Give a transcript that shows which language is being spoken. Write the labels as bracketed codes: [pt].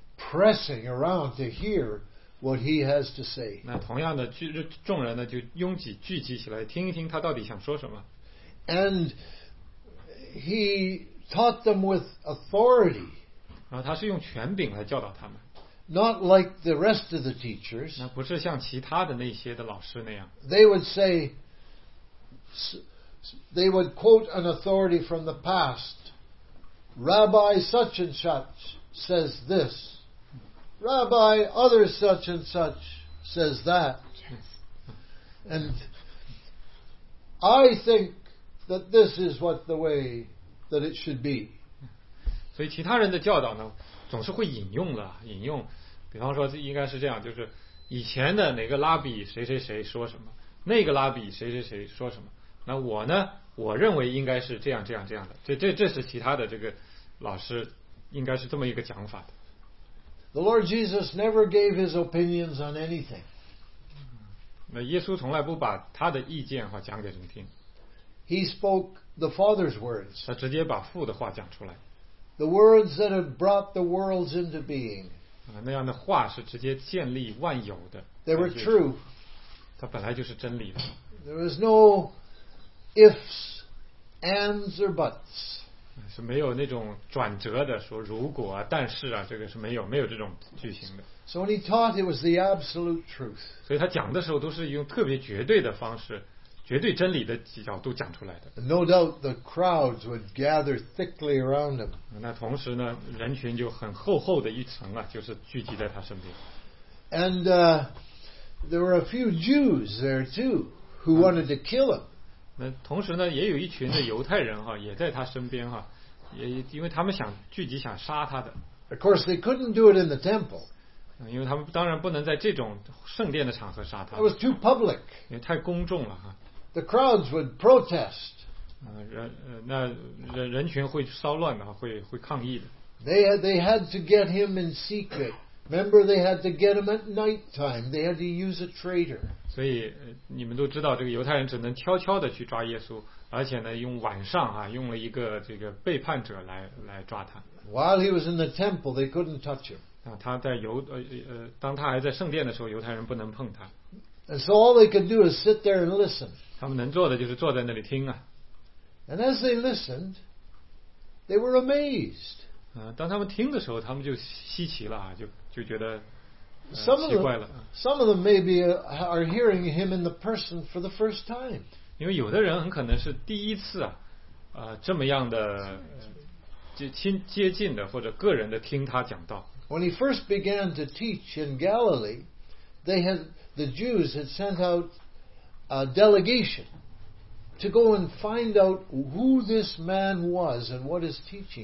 [en] Pressing around to hear what he has to say. [zh] 那同样的众人呢，就拥挤聚集起来，听一听他到底想说什么。 [en] And he taught them with authority. [zh] 然后他是用权柄来教导他们。 [en] Not like the rest of the teachers. [zh] 那不是像其他的那些的老师那样。 [en] They would say, they would quote an authority from the past. Rabbi such and such says this. Rabbi, other such and such says that. And I think that this is what the way that it should be. [zh] 所以其他人的教导呢，总是会引用，比方说应该是这样，就是以前的哪个拉比谁谁谁说什么，那个拉比谁谁谁说什么，那我呢，我认为应该是这样的，这是其他的这个老师应该是这么一个讲法的。 [en] The Lord Jesus never gave his opinions on anything. [zh] 那耶稣从来不把他的意见哈讲给人听。 [en] He spoke the Father's words. [zh] 他直接把父的话讲出来。 [en] The words that had brought the worlds into being. [zh] 那样的话是直接建立万有的。 [en] They were true. [zh] 他本来就是真理的。 [en] There was no ifs, ands, or buts. [zh] 是没有那种转折的，说如果啊，但是啊，这个是没有这种句型的。 [en] So when he taught, it was the absolute truth. [zh] 所以他讲的时候都是用特别绝对的方式，绝对真理的角度讲出来的。 [en] No doubt the crowds would gather thickly around him. [zh] 那同时呢，人群就很厚的一层啊，就是聚集在他身边。 [en] And there were a few Jews there too who wanted to kill him. [zh] 同时呢，也有一群的犹太人哈，也在他身边哈，也因为他们想聚集想杀他的。 [en] Of course, they couldn't do it in the temple. [zh] 因为他们当然不能在这种圣殿的场合杀他。 [en] It was too public. [zh] 也太公众了哈。 [en] The crowds would protest. [zh] 人群会骚乱的，会抗议的。 [en] They had to get him in secret. Remember, they had to get him at night time. They had to use a traitor. [zh] 所以你们都知道这个犹太人只能悄悄地去抓耶稣，而且呢用晚上啊，用了一个这个背叛者来抓他。 [en] While he was in the temple they couldn't touch him. [zh] 他在当他还在圣殿的时候犹太人不能碰他。 [en] And so all they could do is sit there and listen. [zh] 他们能做的就是坐在那里听啊。 [en] And as they listened they were amazed. [zh] 当他们听的时候他们就稀奇了啊，就觉得 [en] Some of them maybe are hearing him in the person for the first time. [zh] 因为有的人很可能是第一次啊，这么样的接近的或者个人的听他讲道。 [en] When he first began to teach in Galilee, the Jews had sent out a delegation to go and find out who this man was and what his teaching.